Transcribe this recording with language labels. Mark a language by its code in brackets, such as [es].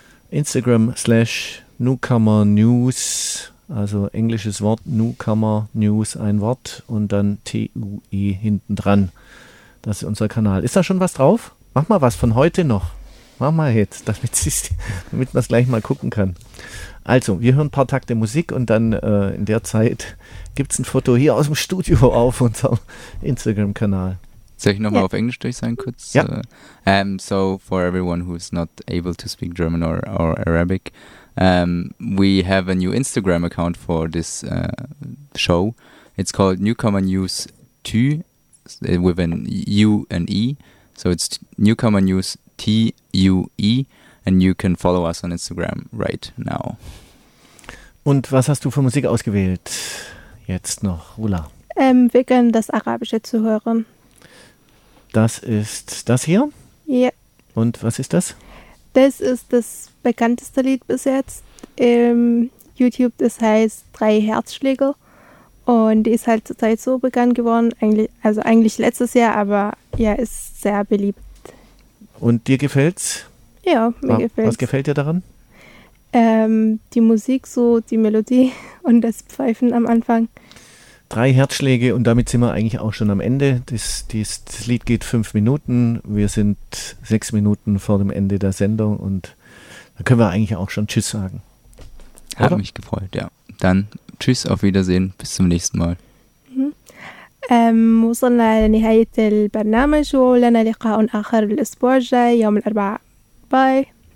[de] Instagram/Newcomer News, also englisches Wort, Newcomer News, ein Wort und dann T-U-E hinten dran. Das ist unser Kanal. Ist da schon was drauf? Mach mal was von heute noch. Mach mal jetzt, damit man es gleich mal gucken kann. Also, wir hören ein paar Takte Musik und dann in der Zeit gibt es ein Foto hier aus dem Studio auf unserem Instagram-Kanal. Soll ich nochmal auf Englisch durch sein kurz? Ja. [en] So, for everyone who is not able to speak German or Arabic, we have a new Instagram account for this show. It's called Newcomer News 2 with an U and E. So it's Newcomer News T-U-E and you can follow us on Instagram right now. [de] Und was hast du für Musik ausgewählt jetzt noch, Rula? Wir können das Arabische zu hören. Das ist das hier? Ja. Yeah. Und was ist das? Das ist das bekannteste Lied bis jetzt im YouTube. Das heißt 3 Herzschläge. Und die ist halt zurzeit so bekannt geworden. Eigentlich letztes Jahr, aber ja, ist sehr beliebt. Und dir gefällt's? Ja, mir gefällt's. Was gefällt dir daran? Die Musik, so die Melodie und das Pfeifen am Anfang. 3 Herzschläge und damit sind wir eigentlich auch schon am Ende. Das Lied geht 5 Minuten. Wir sind 6 Minuten vor dem Ende der Sendung und da können wir eigentlich auch schon Tschüss sagen. Hat mich gefreut, ja. Dann Tschüss, auf Wiedersehen, bis zum nächsten Mal. [ar] وصلنا لنهاية البرنامج ولنا لقاء آخر الأسبوع الجاي يوم الأربعاء. Bye.